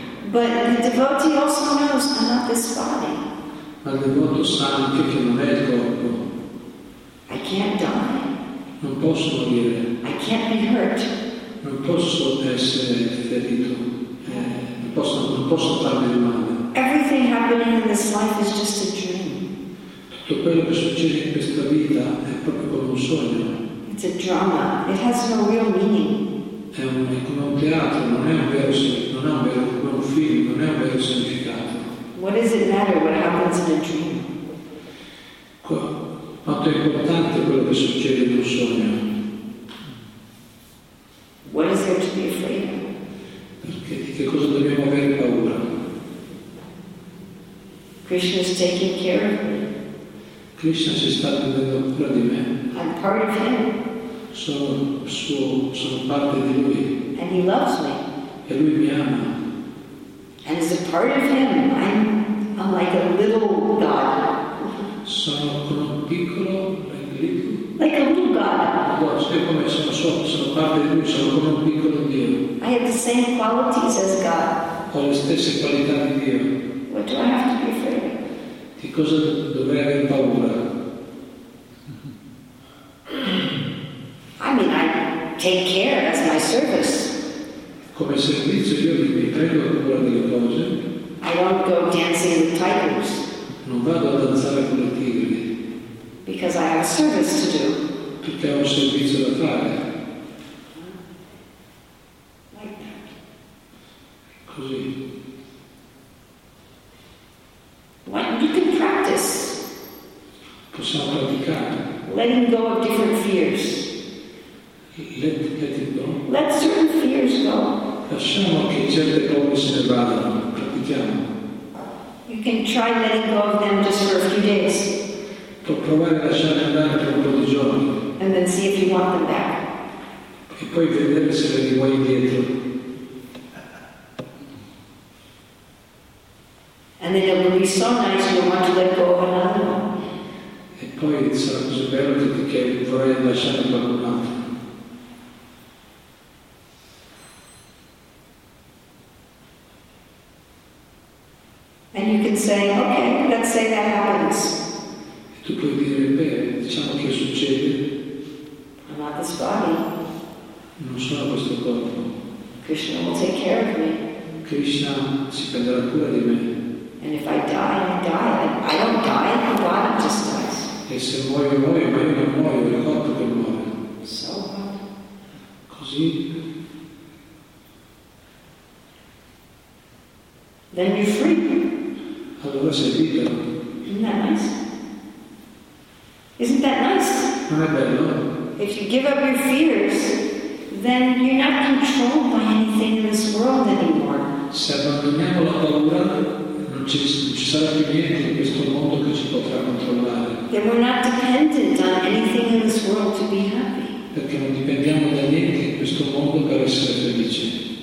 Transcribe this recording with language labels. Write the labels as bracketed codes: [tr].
[en] But the devotee also knows I'm not this body. [it] Ma il devoto sa anche che non è il corpo. [en] I can't die. [it] Non posso morire. [en] I can't be hurt. [it] Non posso essere ferito. Non posso farmi male. [en] Everything happening in this life is just a dream. [it] Tutto quello che succede in questa vita è proprio come un sogno. [en] It's a drama. It has no real meaning. [it] È come un teatro, non è un vero significato. Non è un film, non è un vero significato. [en] What does it matter what happens in a dream? [it] Quanto è importante quello che succede in un sogno? [en] What is there to be afraid of? [it] Perché di che cosa dobbiamo avere paura? [en] Krishna is taking care of me. [it] Krishna si sta prendendo cura di me. [en] I'm part of him. [it] Sono parte di lui. [en] And he loves me. [it] E lui mi ama. [en] And as a part of him, I'm like a little god. [it] Sono come un piccolo, [en] like a little god. [it] Sono parte di lui, sono come un piccolo Dio. [en] I have the same qualities as God. [it] Ho le stesse qualità di Dio. [en] What do I have to be afraid of? [it] Di cosa dovrei aver paura? [en] I mean, I take care, that's my service. [it] Come servizio io mi prendo cura delle cose. [en] I won't go dancing with tigers. [it] Non vado a danzare con le tigri. [en] Because I have service to do. [it] Perché ho un servizio da fare. Così. [en] What you can practice. [it] Possiamo praticare. [en] Letting go of different fears. Let it go. Let certain fears go. [it] Lasciamo che certe cose se ne vadano. Pratichiamo. [en] You can try letting go of them just for a few days. [it] Può provare a lasciare andare per un po' di giorni. [en] And then see if you want them back. [it] E poi vedere se li vuoi indietro. [en] And then it will be so nice you want to let go of another one. [it] E poi sarà così bello che vorrei lasciare qualcun altro. [en] And you can say, okay, let's say that happens. [it] E tu puoi dire, beh, diciamo che succede. [en] I'm not this body. [it] Non sono questo corpo. [en] Krishna will take care of me. [it] Krishna si prenderà cura di me. [en] And if I die, I die. I don't die, the body just dies. [it] E se muoio, muoio, ma io non muoio, il corpo che muore. [en] So what? [it] Così. [en] Then you're free. [it] Allora sei libero. [en] Isn't that nice? [it] Non è bello? [en] If you give up your fears, then you're not controlled by anything in this world anymore. [it] Se abbandoniamo la paura, non ci sarà più niente in questo mondo che ci potrà controllare. [en] Then we're not dependent on anything in this world to be happy. [it] Perché non dipendiamo da niente in questo mondo per essere felici.